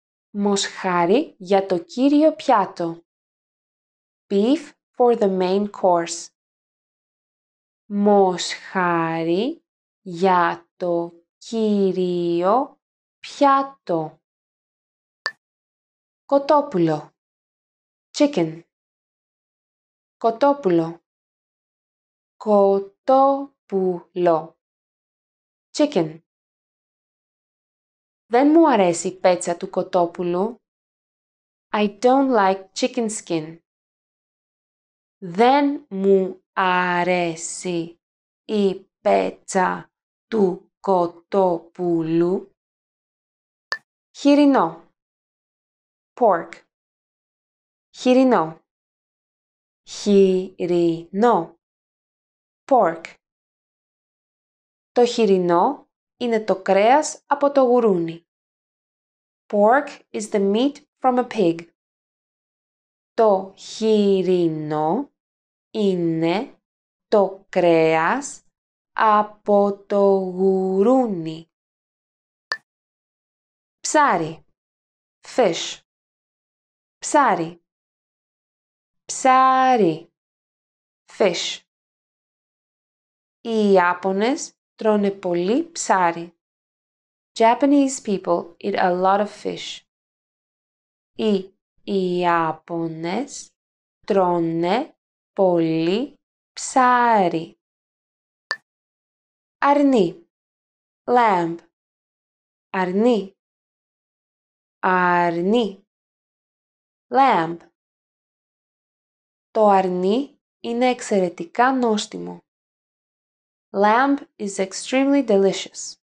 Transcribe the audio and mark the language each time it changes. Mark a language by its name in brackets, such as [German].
[Greek] Μοσχάρι για το κύριο πιάτο. [English] Beef for the main course. [Greek] Μοσχάρι για το κύριο πιάτο. Κοτόπουλο. [English] Chicken. [Greek] Κοτόπουλο. Κοτόπουλο. [English] Chicken. [Greek] Δεν μου αρέσει η πέτσα του κοτόπουλου. [English] I don't like chicken skin. [Greek] Δεν μου αρέσει η πέτσα του κοτόπουλου. Χοιρινό. [English] Pork. [Greek] Χοιρινό. Χοιρινό. [English] Pork. [Greek] Το χοιρινό είναι το κρέας από το γουρούνι. [English] Pork is the meat from a pig. [Greek] Το χοιρινό είναι το κρέας από το γουρούνι. Ψάρι. [English] Fish. [Greek] Ψάρι. Ψάρι. [English] Fish. [Greek] Οι Ιάπωνες τρώνε πολύ ψάρι. [English] Japanese people eat a lot of fish. [Greek] Οι Ιάπωνες τρώνε πολύ ψάρι. Αρνί. [English] Lamb. [Greek] Αρνί. Αρνί. [English] Lamb. [Greek] Το αρνί είναι εξαιρετικά νόστιμο. [English] Lamb is extremely delicious.